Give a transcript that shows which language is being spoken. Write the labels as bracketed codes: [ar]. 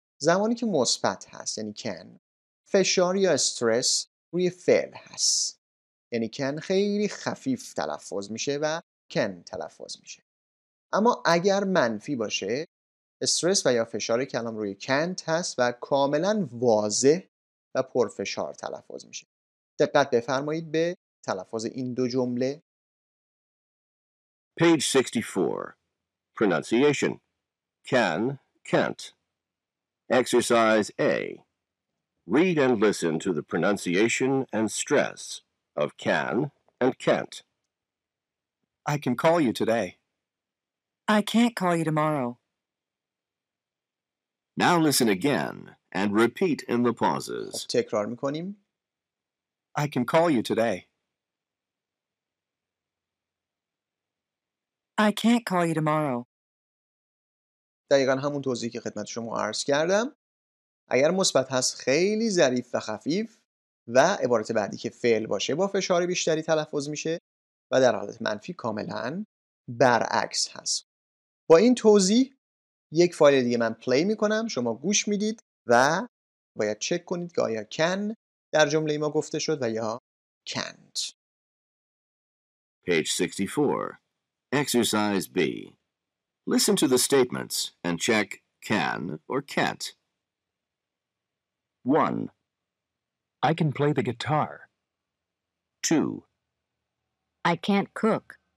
[fa] زمانی که مثبت هست یعنی can، فشار یا استرس روی فعل هست، یعنی can خیلی خفیف تلفظ میشه و can تلفظ میشه. اما اگر منفی باشه استرس و یا فشار کلام روی can't هست و کاملا واضح و پرفشار تلفظ میشه. دقت بفرمایید به تلفظ این دو جمله. [en] Page 64 Pronunciation Can, can't Exercise A. Read and listen to the pronunciation and stress of can and can't. I can call you today. I can't call you tomorrow. Now listen again and repeat in the pauses. [fa] تکرار می‌کنیم. [en] I can call you today. I can't call you tomorrow. [fa] دقیقاً همون توضیحی که خدمت شما عرض کردم. اگر مثبت هست خیلی ظریف و خفیف و عبارت بعدی که فعل باشه با فشار بیشتری تلفظ میشه و در حالت منفی کاملاً برعکس هست. با این توضیح یک فایل دیگه من پلی میکنم، شما گوش میدید و باید چک کنید که آیا can در جمله ما گفته شد و یا can't. [en] Page 64. Exercise B. Listen to the statements and check can or can't. 1. I can play the guitar. 2. I can't cook.